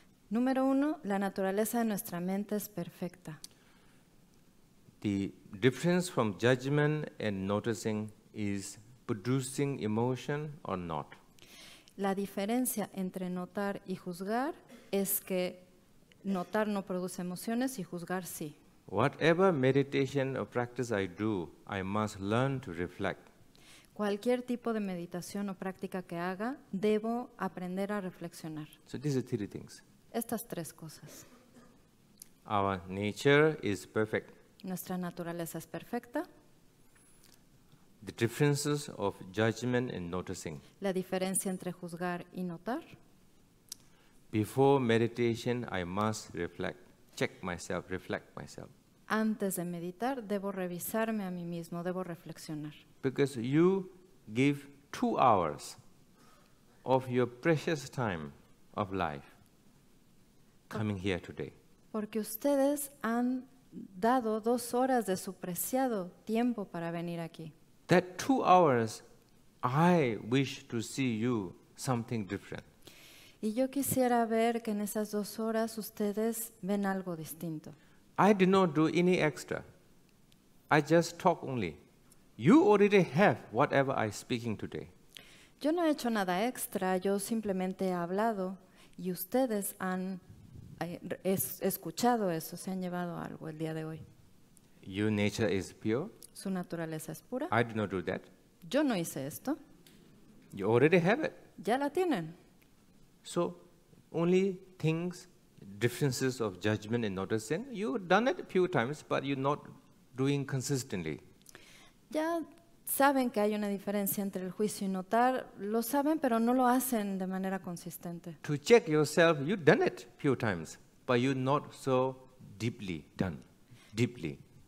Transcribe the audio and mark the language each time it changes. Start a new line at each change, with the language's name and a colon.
Spanish: Número uno, la naturaleza de nuestra mente es perfecta.
English: The difference from judgment and noticing is producing emotion or not.
Spanish: La diferencia entre notar y juzgar es que notar no produce emociones y juzgar sí.
English: Whatever meditation or practice I do, I must learn to reflect.
Spanish: Cualquier tipo de meditación o práctica que haga, debo aprender a reflexionar.
English: So these are 3 things.
Spanish: Estas 3 cosas.
English: Our nature is perfect.
Spanish: Nuestra naturaleza es perfecta.
English: The differences of judgment and noticing.
Spanish: La diferencia entre juzgar y notar.
English: Before meditation, I must reflect. Check myself, reflect myself.
Spanish: Antes de meditar, debo revisarme a mí mismo, debo reflexionar.
English: Because you give 2 hours of your precious time of life coming here today.
Spanish: Porque ustedes han dado 2 horas de su preciado tiempo para venir aquí.
English: That 2 hours, I wish to see you something different.
Spanish: Y yo quisiera ver que en esas 2 horas ustedes ven algo distinto.
English: I did not do any extra. I just talk only. You already have whatever I'm speaking today.
Spanish: Yo no he hecho nada extra. Yo simplemente he hablado y ustedes han escuchado eso. Se han llevado algo el día de hoy.
English: Your nature is pure.
Spanish: su naturaleza es pura.
English: I did not do that.
Spanish: Yo no hice esto.
English: You already have it.
Spanish: Ya la tienen.
English: So, only things, differences of judgment and noticing, you've done it a few times, but you're not doing consistently.
Spanish: Ya saben que hay una diferencia entre el juicio y notar, lo saben, pero no lo hacen de manera consistente.
English: To check yourself, you've done it a few times, but you're not so deeply done, deeply.